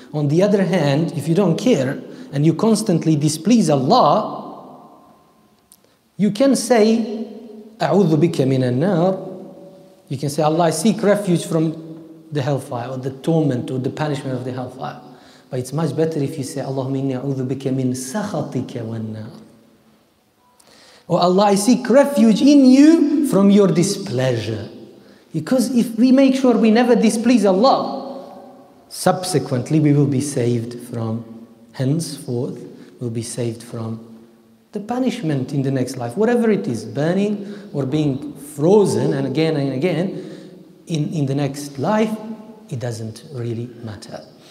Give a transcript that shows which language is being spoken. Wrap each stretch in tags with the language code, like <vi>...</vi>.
<en>On the other hand, if you don't care and you constantly displease Allah, you can say,</en> <ar>أَعُوذُ بِكَ مِنَ النَّارِ.</ar> <en>You can say, Allah, I seek refuge from the hellfire or the torment or the punishment of the hellfire. But it's much better if you say,</en> <ar>اللهم إني أعوذ بك من سخطك والنار.</ar> <en>Oh Allah, I seek refuge in you from your displeasure. Because if we make sure we never displease Allah, subsequently we will be saved from, henceforth, we'll be saved from the punishment in the next life, whatever it is, burning or being frozen and again in the next life, it doesn't really matter.</en>